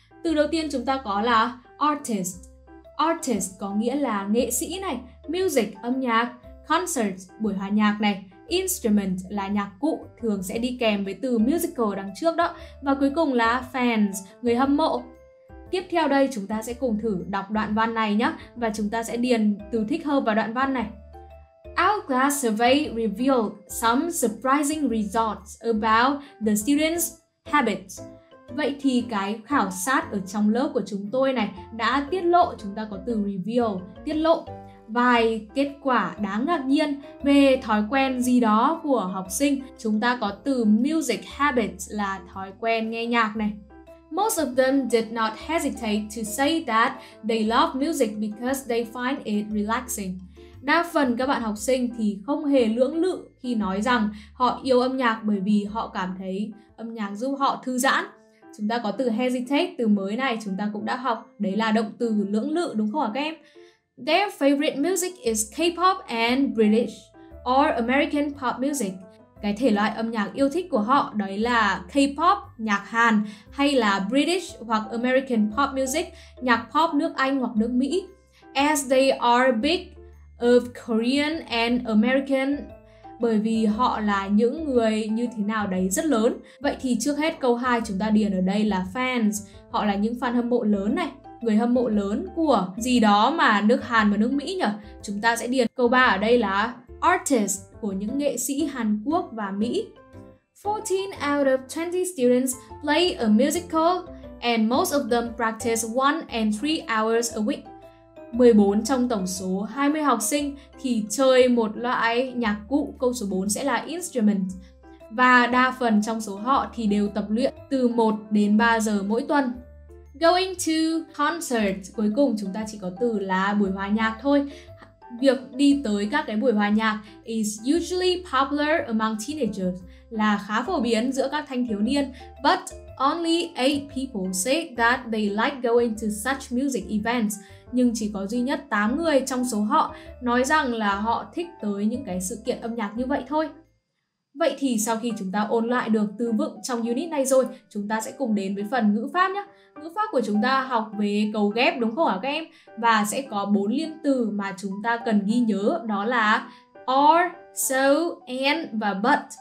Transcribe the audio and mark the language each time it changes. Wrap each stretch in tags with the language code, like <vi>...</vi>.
<vi>Từ đầu tiên chúng ta có là artist. Artist có nghĩa là nghệ sĩ này, music, âm nhạc, concert, buổi hòa nhạc này. Instrument là nhạc cụ, thường sẽ đi kèm với từ musical đằng trước đó. Và cuối cùng là fans, người hâm mộ. Tiếp theo đây chúng ta sẽ cùng thử đọc đoạn văn này nhé. Và chúng ta sẽ điền từ thích hợp vào đoạn văn này.</vi> <en>Hourglass survey revealed some surprising results about the students' habits.</en> <vi>Vậy thì cái khảo sát ở trong lớp của chúng tôi này đã tiết lộ, chúng ta có từ reveal, tiết lộ vài kết quả đáng ngạc nhiên về thói quen gì đó của học sinh. Chúng ta có từ music habits là thói quen nghe nhạc này.</vi> <en>Most of them did not hesitate to say that they love music because they find it relaxing.</en> <vi>Đa phần các bạn học sinh thì không hề lưỡng lự khi nói rằng họ yêu âm nhạc bởi vì họ cảm thấy âm nhạc giúp họ thư giãn. Chúng ta có từ hesitate, từ mới này chúng ta cũng đã học, đấy là động từ lưỡng lự đúng không ạ các em?</vi> <en>Their favorite music is K-pop and British or American pop music.</en> <vi>Cái thể loại âm nhạc yêu thích của họ đấy là K-pop, nhạc Hàn, hay là British hoặc American pop music, nhạc pop nước Anh hoặc nước Mỹ. As they are big of Korean and American, bởi vì họ là những người như thế nào đấy rất lớn. Vậy thì trước hết câu 2 chúng ta điền ở đây là fans. Họ là những fan hâm mộ lớn này, người hâm mộ lớn của gì đó mà nước Hàn và nước Mỹ nhỉ? Chúng ta sẽ điền câu 3 ở đây là artist của những nghệ sĩ Hàn Quốc và Mỹ.</vi> <en>14 out of 20 students play a musical and most of them practice 1 and 3 hours a week.</en> <vi>14 trong tổng số 20 học sinh thì chơi một loại nhạc cụ, câu số 4 sẽ là instrument. Và đa phần trong số họ thì đều tập luyện từ 1 đến 3 giờ mỗi tuần. Going to concert, cuối cùng chúng ta chỉ có từ là buổi hòa nhạc thôi. Việc đi tới các cái buổi hòa nhạc is usually popular among teenagers, là khá phổ biến giữa các thanh thiếu niên.</vi> <en>But only 8 people say that they like going to such music events.</en> <vi>Nhưng chỉ có duy nhất 8 người trong số họ nói rằng là họ thích tới những cái sự kiện âm nhạc như vậy thôi. Vậy thì sau khi chúng ta ôn lại được từ vựng trong unit này rồi, chúng ta sẽ cùng đến với phần ngữ pháp nhé. Ngữ pháp của chúng ta học về cấu ghép đúng không hả các em? Và sẽ có 4 liên từ mà chúng ta cần ghi nhớ, đó là or, so, and và but.</vi>